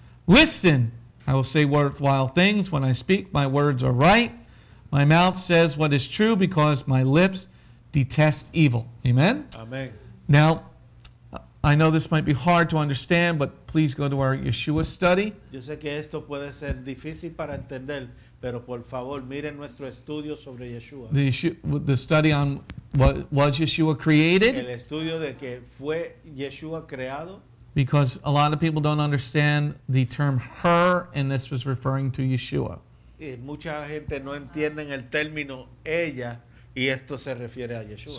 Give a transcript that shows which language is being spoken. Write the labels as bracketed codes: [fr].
[en] Listen, I will say worthwhile things. When I speak, my words are right. My mouth says what is true because my lips detest evil." Amen? Amen. Now, I know this might be hard to understand, but please go to our Yeshua study. [es] Yo sé que esto puede ser difícil para entender, pero por favor, miren nuestro estudio sobre Yeshua. [en] The study on what was Yeshua created? [es] El estudio de que fue Yeshua creado. [en] Because a lot of people don't understand the term "her," and this was referring to Yeshua. [es] Y mucha gente no entiende el término ella, y esto se refiere a Yeshua.